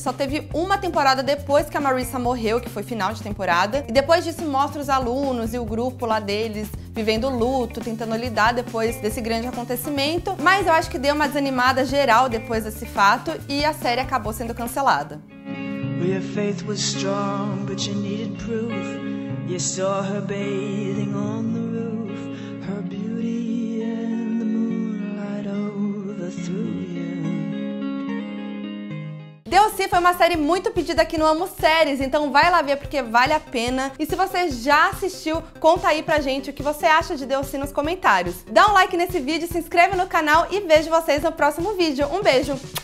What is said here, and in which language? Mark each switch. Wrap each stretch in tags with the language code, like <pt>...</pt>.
<pt>Só teve uma temporada depois que a Marissa morreu, que foi final de temporada. E depois disso mostra os alunos e o grupo lá deles vivendo luto, tentando lidar depois desse grande acontecimento. Mas eu acho que deu uma desanimada geral depois desse fato e a série acabou sendo cancelada.</pt> <en>Your faith was strong, but you needed proof. You saw her bathing on the roof. Her beauty and the moonlight overthrew you.</en> <pt>The OC foi uma série muito pedida aqui no Amo Séries, então vai lá ver porque vale a pena. E se você já assistiu, conta aí pra gente o que você acha de The OC nos comentários. Dá um like nesse vídeo, se inscreve no canal e vejo vocês no próximo vídeo. Um beijo!</pt>